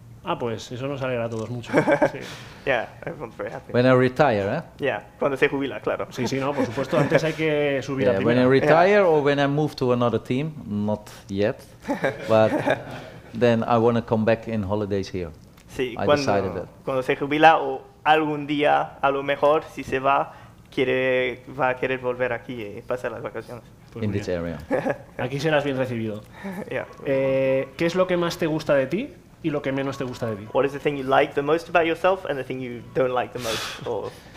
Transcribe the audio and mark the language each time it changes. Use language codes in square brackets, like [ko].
[es] Ah, pues eso nos alegra a todos mucho. [en] Sí. Yeah, everyone's very happy. When I retire, eh? [es] Yeah, cuando se jubila, claro. Sí, sí, no, por supuesto, antes hay que subir a primera. [en] When I retire or when I move to another team, not yet, but then I want to come back in holidays here. [es] Sí, cuando se jubila o algún día, a lo mejor, si se va, va a querer volver aquí y pasar las vacaciones. [en] Pues in this area. [es] Aquí serás bien recibido. [en] Yeah. [es] ¿Qué es lo que más te gusta de ti y lo que menos te gusta de ti? [en] What is the thing you like the most about yourself and the thing you don't like the most?